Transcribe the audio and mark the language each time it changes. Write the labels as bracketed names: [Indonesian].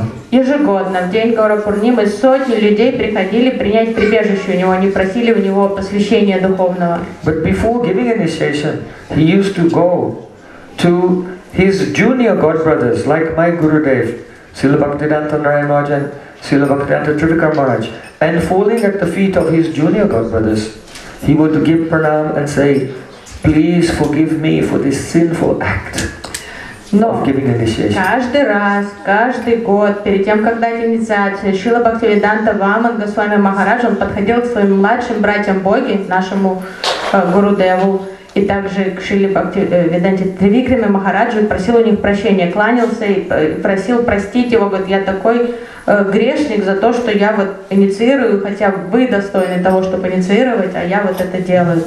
[Russian] Ежегодно в день Гаура Пурнимы сотни людей приходили принять прибежище у него, они просили у него посвящения духовного. [English] But before giving initiation, he used to go to his junior god brothers, like my Guru Dev, Srila Bhaktivedanta Narayana Maharaj and Srila Bhaktivedanta Trivikrama Maharaj, and falling at the feet of his junior god brothers, he would give pranam and say, please forgive me for this sinful act. [Russian] Но каждый год, перед тем, как дать инициацию, Шрила Бхактивиданта Ваман Госвами Махарадж, он подходил к своим младшим братьям Боги, нашему Гуру Деву, и также к Шриле Бхактивиданте Тривикраме Махараджу, просил у них прощения, кланялся и просил простить его, говорит, я такой грешник за то, что я вот инициирую, хотя вы достойны того, чтобы инициировать, а я вот это делаю.